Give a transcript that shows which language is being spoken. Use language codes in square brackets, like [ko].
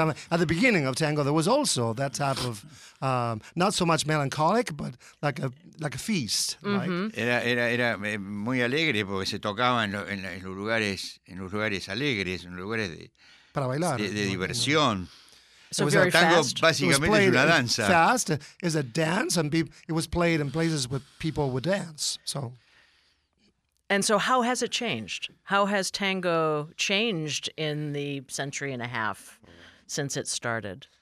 [en] At the beginning of tango, there was also that type of not so much melancholic, but like a feast. Mm-hmm. Like. [es] Era muy alegre porque se tocaba en los lugares alegres, en lugares de para bailar, de diversión. [en] So it was very tango fast. [es] Básicamente [en] it was played [es] es una danza. [en] Fast is a dance, and it was played in places where people would dance. So. And so how has it changed? How has tango changed in the century and a half since it started?